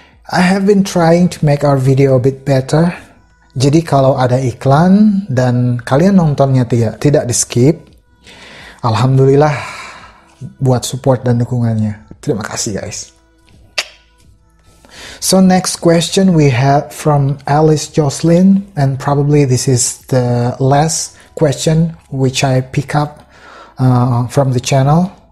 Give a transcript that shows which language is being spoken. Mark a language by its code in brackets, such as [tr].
[en] I have been trying to make our video a bit better. [id] Jadi kalau ada iklan dan kalian nontonnya tidak di skip, alhamdulillah buat support dan dukungannya. Terima kasih guys. [en] So next question we have from Alice Jocelyn, and probably this is the last question which I pick up from the channel.